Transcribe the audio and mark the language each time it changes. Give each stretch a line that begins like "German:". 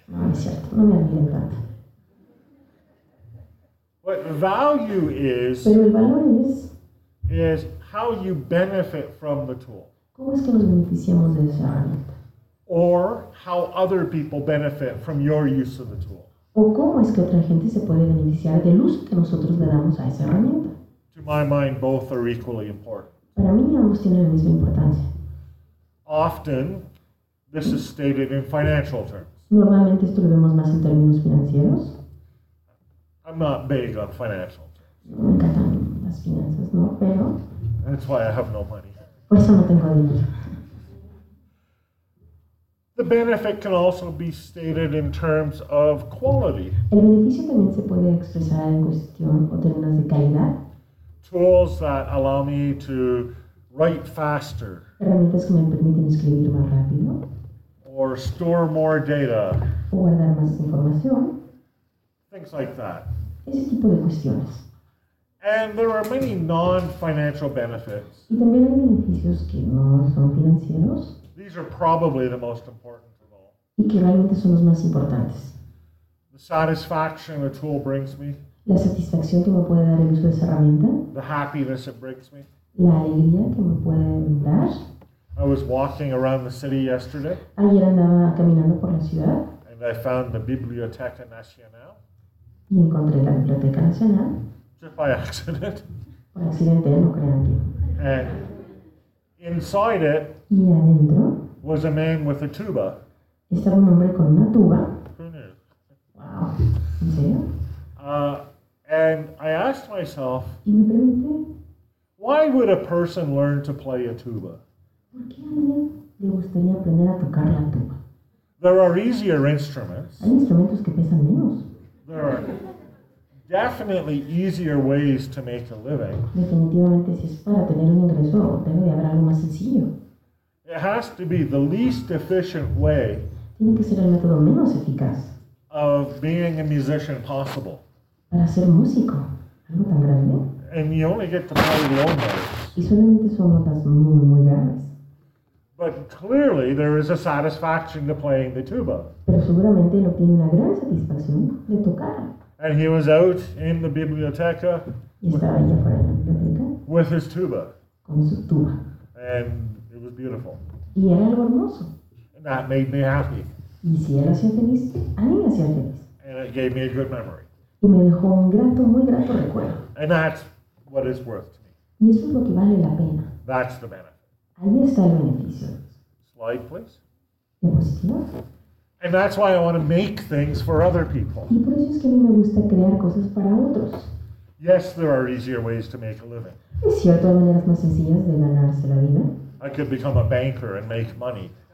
Spanish: No, es cierto, no me admiren tanto.
English: What value is,
Spanish: pero el valor es,
English: is how you benefit from the tool.
Spanish: ¿Cómo es que nos beneficiamos de esa herramienta?
English: Or how other people benefit from your use of the tool.
Spanish: ¿O cómo es que otra gente se puede beneficiar del uso que nosotros le damos a esa herramienta?
English: To my mind, both are equally important.
Spanish: Para mí ambos tienen la misma importancia.
English: Often, this is stated in financial terms.
Spanish: Normalmente esto lo vemos más en términos financieros.
English: I'm not big on financial terms.
Spanish: No me encantan las finanzas, ¿no? Pero...
English: That's why I have no money.
Spanish: Por eso no tengo dinero.
English: The benefit can also be stated in terms of quality.
Spanish: El beneficio también se puede expresar en cuestión o términos de calidad.
English: Tools that allow me to write faster.
Spanish: Herramientas que me permiten escribir más rápido.
English: Or store more data.
Spanish: O guardar más información.
English: Things like that.
Spanish: Ese tipo de cuestiones.
English: And there are many non-financial benefits.
Spanish: Y también hay beneficios que no son financieros.
English: These are probably the most important of all.
Spanish: Y que realmente son los más importantes.
English: The satisfaction a tool brings me.
Spanish: La satisfacción que me puede dar el uso de esa herramienta.
English: The happiness it brings me.
Spanish: La alegría que me pueden dar.
English: I was walking around the city yesterday.
Spanish: Ayer andaba caminando por la ciudad.
English: And I found the Biblioteca Nacional.
Spanish: Y encontré la Biblioteca Nacional.
English: Just by accident.
Spanish: Por accidente, no crean que.
English: And inside it.
Spanish: Y adentro.
English: Was a man with a tuba.
Spanish: Estaba un hombre con una tuba.
English: Who knew?
Spanish: Wow. ¿En serio?
English: And I asked myself.
Spanish: Y me pregunté.
English: Why would a person learn to play a tuba?
Spanish: ¿Por qué alguien le gustaría aprender a tocar la tuba?
English: There are easier instruments.
Spanish: Hay instrumentos que pesan menos.
English: There are definitely easier ways to make a living.
Spanish: Definitivamente, si es para tener un ingreso, debe haber algo más sencillo.
English: It has to be the least efficient way.
Spanish: Tiene que ser el método menos eficaz.
English: Of being a musician possible.
Spanish: Para ser músico, algo tan grande.
English: And you only get to play low notes.
Spanish: Y solamente son notas muy, muy graves.
English: But clearly there is a satisfaction to playing the tuba.
Spanish: Pero seguramente él obtiene una gran satisfacción de tocar.
English: And he was out in the biblioteca.
Spanish: Y estaba allá fuera de la biblioteca.
English: With his tuba.
Spanish: Con su tuba.
English: And it was beautiful.
Spanish: Y era algo hermoso.
English: And that made me happy.
Spanish: Y si él hacía feliz, a mí me hacía feliz.
English: And it gave me a good memory.
Spanish: Y me dejó un grato, muy grato recuerdo.
English: And that's what is worth to me.
Spanish: Y eso es lo que vale la pena.
English: That's the benefit.
Spanish: Ahí está el beneficio.
English: Slide, please.
Spanish: Diapositiva.
English: And that's why I want to make things for other people.
Spanish: Y por eso es que a mí me gusta crear cosas para otros.
English: Yes, there are easier ways to make a living.
Spanish: Es cierto, hay maneras más sencillas de ganarse la vida.
English: I could become a banker and make money.